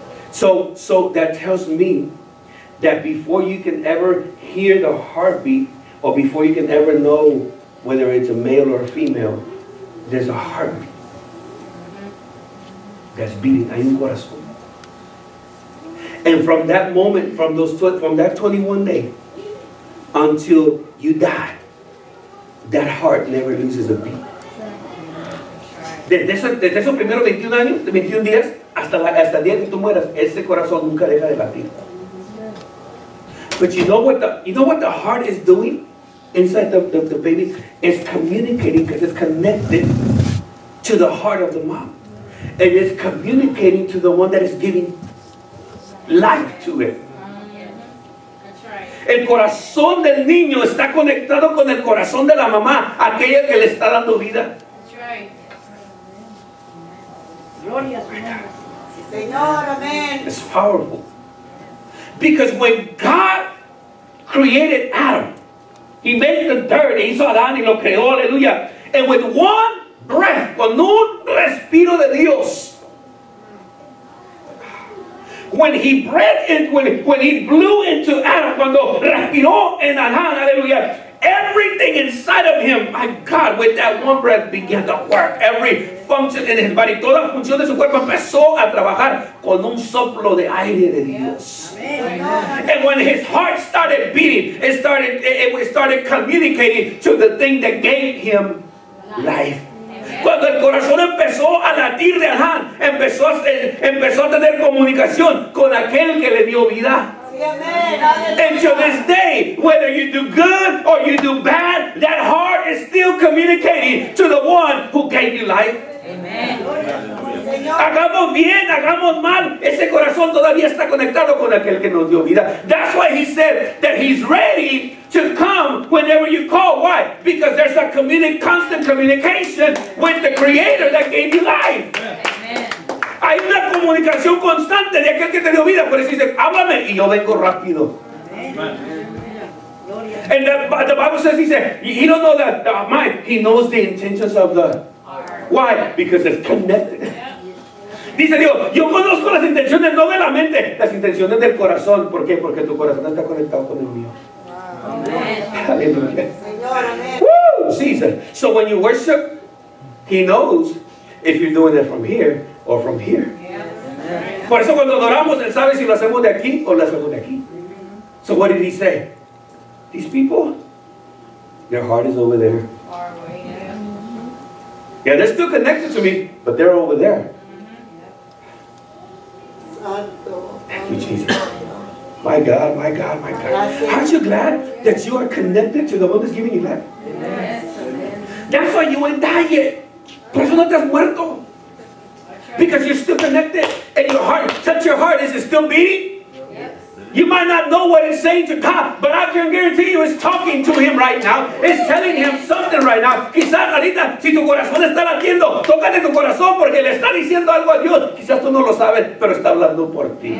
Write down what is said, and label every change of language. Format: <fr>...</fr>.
<en>So that tells me that before you can ever hear the heartbeat, or before you can ever know whether it's a male or a female, there's a heartbeat that's beating.</en> <es>Hay un corazón.</es> <en>And from that moment, from that 21 day until you die, that heart never loses a beat.</en> <es>Desde esos primeros 21 años, 21 días, hasta el día que tú mueras, ese corazón nunca deja de latir.</es> <en>But you know what the heart is doing inside the baby? It's communicating because it's connected to the heart of the mom. And it's communicating to the one that is giving life to it.</en> <es>El corazón del niño está conectado con el corazón de la mamá, aquella que le está dando vida. Gloria Señor, amén.</es> <en>It's powerful. Because when God created Adam, He made the dirt, He</en> <es>hizo a Adán y lo creó, aleluya.</es> <en>And with one breath,</en> <es>con un respiro de Dios,</es> <en>when He breathed in, when He blew into Adam,</en> <es>cuando respiró en Adán, aleluya,</es> <en>everything inside of him, my God, with that one breath began to work. Every function in his body,</en> <es>toda función de su cuerpo empezó a trabajar con un soplo de aire de Dios.</es> <en>Amen. And when his heart started beating, it started communicating to the thing that gave him life.</en> <es>Cuando el corazón empezó a latir de Adán, empezó a tener comunicación con aquel que le dio vida.</es> <en>And to this day, whether you do good or you do bad, that heart is still communicating to the one who gave you life. Amen.</en> <es>Hagamos bien, hagamos mal, ese corazón todavía está conectado con aquel que nos dio vida.</es> <en>That's why he said that he's ready to come whenever you call. Why? Because there's a constant communication with the Creator that gave you life. Amen.</en> <es>Hay una comunicación constante de aquel que te dio vida. Por eso dice, háblame y yo vengo rápido.</es> <en>Amen. And the Bible says, he said, he don't know that the mind, he knows the intentions of the. Why? Because it's connected. Yeah.</en> <es>Dice Dios, yo conozco las intenciones no de la mente, las intenciones del corazón. ¿Por qué? Porque tu corazón está conectado con el mío.</es> <en>Wow. Hallelujah. Woo! Jesus. So when you worship, He knows if you're doing it from here or from here. Yeah.</en> <es>Por eso cuando adoramos, Él sabe si lo hacemos de aquí o lo hacemos de aquí.</es> <en>Mm-hmm. So what did He say? These people, their heart is over there. Far away, yeah. Yeah, they're still connected to me, but they're over there. Thank you, Jesus. My God, my God, my God. Aren't you glad that you are connected to the one that's giving you life? Yes. That's why you ain't died yet.</en> <es>Por eso no te has muerto.</es> <en>Because you're still connected and your heart, touch your heart, is it still beating? You might not know what it's saying to God, but I can guarantee you it's talking to him right now. It's telling him something right now.</en> <es>Quizás ahorita, si tu corazón está latiendo, tócate tu corazón porque le está diciendo algo a Dios. Quizás tú no lo sabes, pero está hablando por ti.</es>